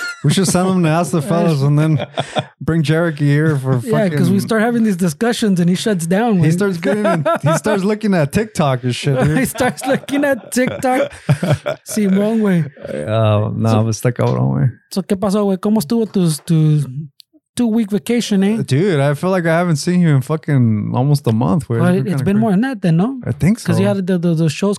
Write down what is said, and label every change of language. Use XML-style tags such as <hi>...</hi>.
<en>We should send him to Ask the Fellas and then bring Jarek here for fucking... Yeah, because we start having these discussions and he shuts down. He starts getting in, he starts looking at TikTok and shit, dude. He starts looking at TikTok. See, wrong way. I'm going to stick out wrong way.</en> <es>So, ¿qué pasó, güey? ¿Cómo estuvo tu 2</es> <en>week vacation,</en> <es>eh?</es> <en>Dude, I feel like I haven't seen you in fucking almost a month. Well, it's been more than that then, no? I think so. Because you had the shows.</en>